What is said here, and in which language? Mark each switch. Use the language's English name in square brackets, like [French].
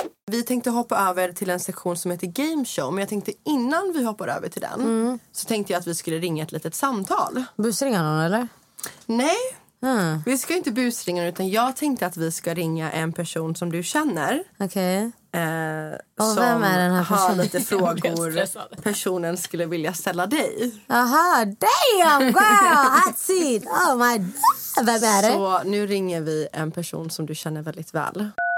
[Swedish] Vi tänkte hoppa över till en sektion som heter Game Show. Men jag tänkte innan vi hoppar över till den så tänkte jag att vi skulle ringa ett litet samtal. Busringa någon eller? Nej, vi ska inte busringa, utan jag tänkte att vi ska ringa en person som du känner. Okej, [English] okay. [Swedish] Och vem är den här personen? Som har lite frågor personen skulle vilja ställa dig. [English] Aha, damn girl, that's it, oh my god. [Swedish] Vem är det? Så nu ringer vi en person som du känner väldigt väl.